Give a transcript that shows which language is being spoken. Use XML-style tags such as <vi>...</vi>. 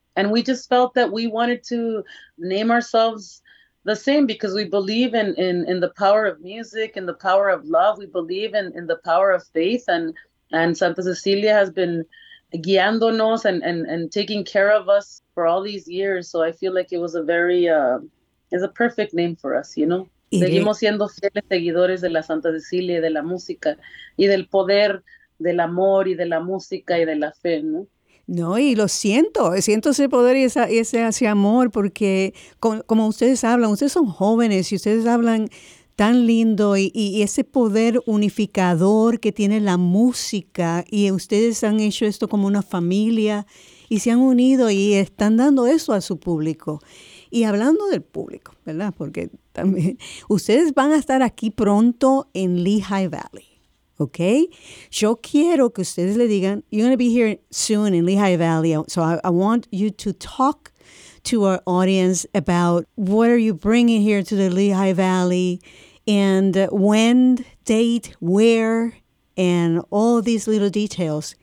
<en>And we just felt that we wanted to name ourselves the same, because we believe in the power of music and the power of love. We believe in the power of faith, and Santa Cecilia has been</en> <es>guiándonos</es> <en>and taking care of us for all these years. So I feel like it was a very is a perfect name for us, you know. It</en> <es>seguimos</es> <en>is.</en> <es>Siendo fieles seguidores de la Santa Cecilia y de la música y del poder del amor y de la música y de la fe, ¿no? No, y lo siento ese poder y ese amor, porque como ustedes hablan, ustedes son jóvenes y ustedes hablan tan lindo y ese poder unificador que tiene la música, y ustedes han hecho esto como una familia y se han unido y están dando eso a su público. Y hablando del público, ¿verdad? Porque también ustedes van a estar aquí pronto en Lehigh Valley. Okay, yo quiero que ustedes le digan,</es> <en>you're going to be here soon in Lehigh Valley, so I want you to talk to our audience about what are you bringing here to the Lehigh Valley, and when, date, where, and all these little details.</en>